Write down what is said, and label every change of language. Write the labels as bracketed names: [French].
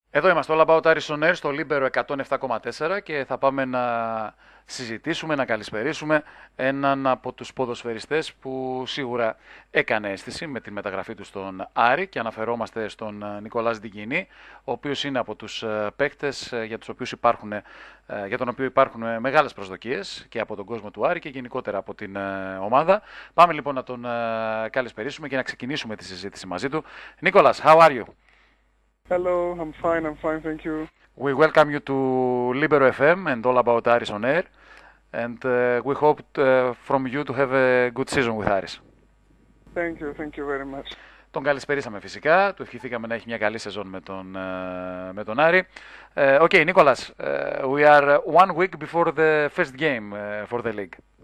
[Greek] Εδώ είμαστε, All About Harrison Air, στο Λίμπερο 107,4 και θα πάμε να συζητήσουμε, να καλησπερίσουμε έναν από τους ποδοσφαιριστές που σίγουρα έκανε αίσθηση με τη μεταγραφή του στον Άρη και αναφερόμαστε στον Νικολάς Ντιγκινή, ο οποίος είναι από τους παίκτες για τους οποίους υπάρχουν, για τον οποίο υπάρχουν μεγάλες προσδοκίες και από τον κόσμο του Άρη και γενικότερα από την ομάδα. Πάμε λοιπόν να τον καλησπερίσουμε και να ξεκινήσουμε τη συζήτηση μαζί του. [English] Νίκολας, how are you? Hello, I'm fine, thank you. We welcome you to Libero FM and All About Aris on Air. And we hope from you to have a good season with Aris. Thank you very much. [Greek] Τον καλησπέρισαμε φυσικά, του ευχηθήκαμε να έχει μια καλή σεζόν με τον Άρη. [English] Okay, Nicolas, we are 1 week before the first game for the league.